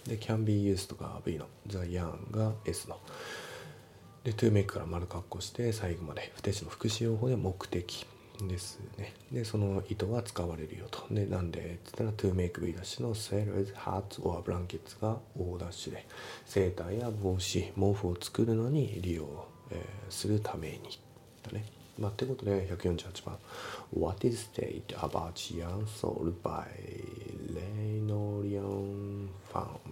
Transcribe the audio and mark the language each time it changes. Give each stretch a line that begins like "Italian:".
Japanese: で、
English: can be used
Japanese: が V の、
English: the yarn
Japanese: が S の。で、to make から丸括弧して最後まで不定詞の副詞用法で目的ですね。で、その糸は使われるよと。で、なんでって言ったら
English: to make
Japanese: V' の
English: sailors hats or blankets
Japanese: が O' で、セーターや帽子、毛布を作るのに利用、するためにだね。まあ、ってことで148番
English: What is state about yarn sold by Lenolion Farm?